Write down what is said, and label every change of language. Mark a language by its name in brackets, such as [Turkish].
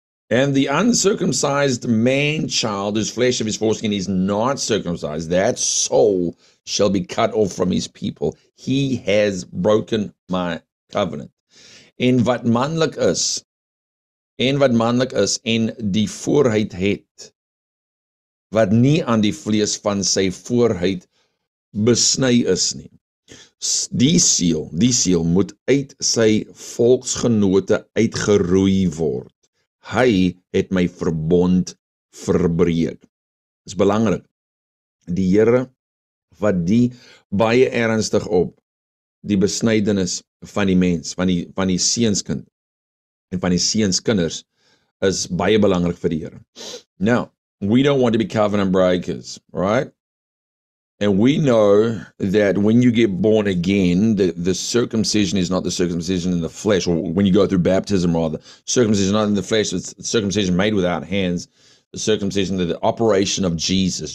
[English] And the uncircumcised man child, whose flesh of his foreskin is not circumcised, that soul shall be cut off from his people. He has broken my covenant. [Afrikaans] En wat manlik is, en die voorheid het, wat nie aan die vlees van sy voorheid besny is nie. Die siel moet uit sy volksgenote uitgeroei word. Hy het my verbond verbreek. Is belangrik. Die Here vat die baie ernstig op, die besnydenis van die mens, van die seunskind en van die seunskinders is baie belangrik vir die Here. [English] Now, we don't want to be covenant breakers, right? And we know that when you get born again, the circumcision is not the circumcision in the flesh, or when you go through baptism, rather, circumcision is not in the flesh, it's circumcision made without hands, the circumcision, the operation of Jesus.